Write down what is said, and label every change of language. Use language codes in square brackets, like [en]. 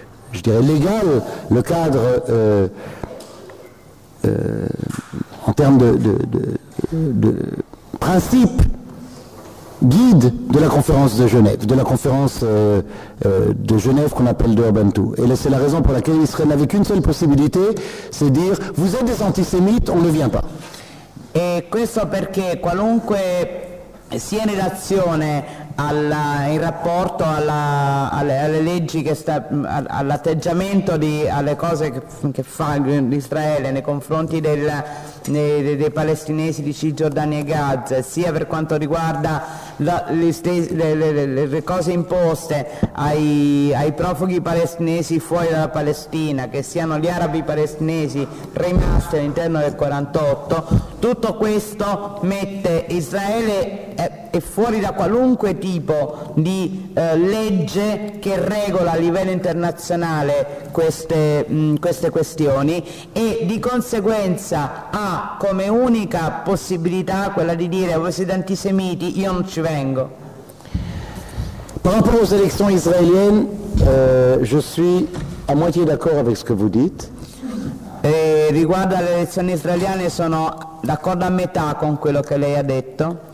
[fr] légal, le cadre en termes de principes guide de la conférence de Genève, de Genève qu'on appelle Durban 2. Et c'est la raison pour laquelle Israël n'avait qu'une seule possibilité, c'est dire vous êtes des antisémites, on ne vient pas. [it] Et questo perché qualunque sia in relazione alla, in rapporto alla, alle, alle leggi che sta, all'atteggiamento di, alle cose che fa Israele nei confronti del, dei, dei palestinesi di Cisgiordania e Gaza, sia per quanto riguarda la, le cose imposte ai, ai profughi palestinesi fuori dalla Palestina, che siano gli arabi palestinesi rimasti all'interno del 48, tutto questo mette Israele è fuori da qualunque tipo di legge che regola a livello internazionale queste, queste questioni, e di conseguenza ha come unica possibilità quella di dire: voi siete antisemiti, io non ci vengo. [fr] Par rapport aux élections israéliennes, je suis à moitié d'accord avec ce que vous dites. [it] E riguardo alle elezioni israeliane sono d'accordo a metà con quello che lei ha detto.